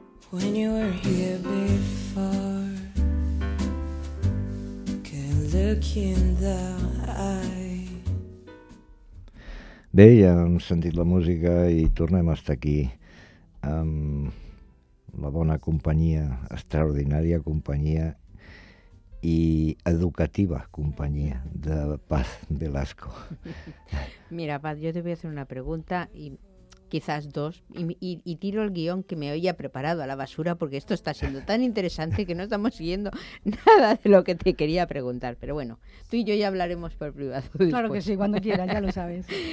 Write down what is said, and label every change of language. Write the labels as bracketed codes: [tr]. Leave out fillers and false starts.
[en] When you were here before, can look in the eye. [ca] Bé, ja hem sentit la música i tornem a estar aquí amb la bona companyia, extraordinària companyia i educativa companyia de Paz Velasco. [es] Mira, Paz, yo te voy a hacer una pregunta y quizás dos, y tiro el guión que me había preparado a la basura, porque esto está siendo tan interesante que no estamos siguiendo nada de lo que te quería preguntar. Pero bueno, tú y yo ya hablaremos por privado después. Claro que sí, cuando quieras, ya lo sabes.